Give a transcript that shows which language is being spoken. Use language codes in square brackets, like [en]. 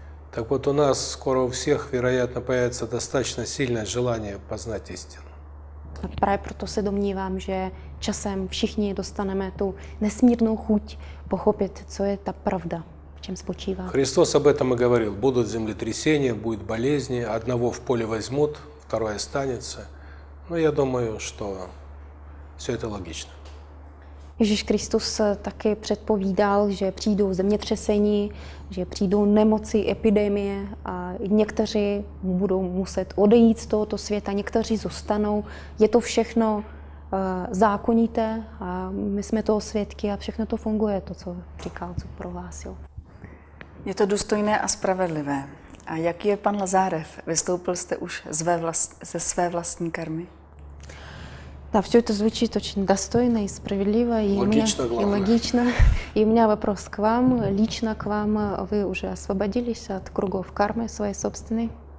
[ru] Tak вот у нас скоро у всех, вероятно, появится достаточно сильное желание познать истину. [cs] A právě proto se domnívám, že časem všichni dostaneme tu nesmírnou chuť pochopit, co je ta pravda. [ru] Христос об этом и говорил. Будут землетрясения, будут болезни. Одного в поле возьмут, второй останется. Но я думаю, что все это логично. [cs] Ježíš Kristus také předpovídal, že přijdou zemětřesení, že přijdou nemoci, epidemie a někteří budou muset odejít z tohoto světa, někteří zůstanou. Je to všechno zákonité a my jsme toho svědky a všechno to funguje, to, co říkal, co prohlásil. Je to důstojné a spravedlivé. A jaký je pan Lazarev? Vystoupil jste už ze své vlastní karmy? [ru] Да, все это звучит очень достойно и справедливо. И логично. И у меня вопрос к вам, лично к вам. Вы уже освободились от кругов кармы своей собственной?